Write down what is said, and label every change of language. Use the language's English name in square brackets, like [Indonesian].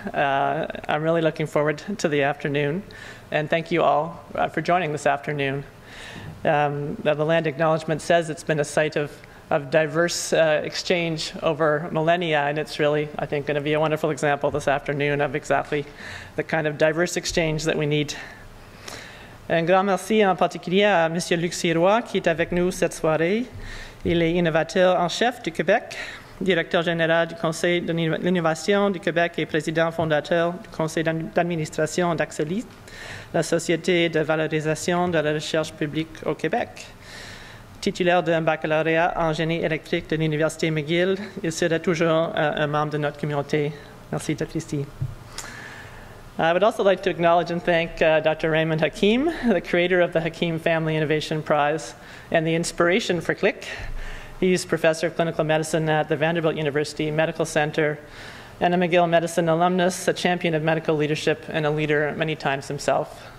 [English] I'm really looking forward to the afternoon, and thank you all for joining this afternoon. The land acknowledgement says it's been a site of diverse exchange over millennia, and it's really, I think, going to be a wonderful example this afternoon of exactly the kind of diverse exchange that we need. [French] Un grand merci en particulier à M. Luc Sirois qui est avec nous cette soirée. Il est innovateur en chef du Québec, directeur général du Conseil de l'innovation du Québec et président fondateur du Conseil d'administration d'Axelis, la société de valorisation de la recherche publique au Québec. Titulaire d'un baccalauréat en génie électrique de l'Université McGill, il sera toujours un membre de notre communauté. Merci d'être ici. [English] I would also like to acknowledge and thank Dr. Raymond Hakim, the creator of the Hakim Family Innovation Prize and the inspiration for CLIC. He's professor of clinical medicine at the Vanderbilt University Medical Center and a McGill Medicine alumnus, a champion of medical leadership, and a leader many times himself.